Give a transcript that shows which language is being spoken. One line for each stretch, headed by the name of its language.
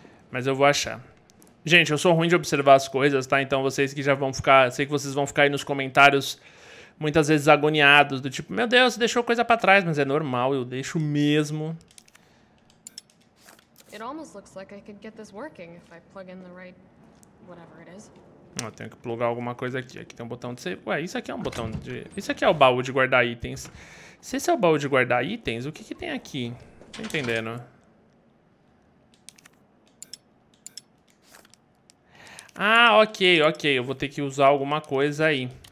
Portuguese: Mas eu vou achar. Gente, eu sou ruim de observar as coisas, tá? Então vocês que já vão ficar... Sei que vocês vão ficar aí nos comentários muitas vezes agoniados, do tipo, meu Deus, você deixou coisa pra trás, mas é normal, eu deixo mesmo.
English: It almost looks like I could get this working if I plug in the right whatever it is.
Portuguese: Ó, tenho que plugar alguma coisa aqui. Aqui tem um botão de save. Ué, isso aqui é um botão de... Isso aqui é o baú de guardar itens. Se esse é o baú de guardar itens, o que que tem aqui? Tô entendendo. Ah, ok, ok. Eu vou ter que usar alguma coisa aí.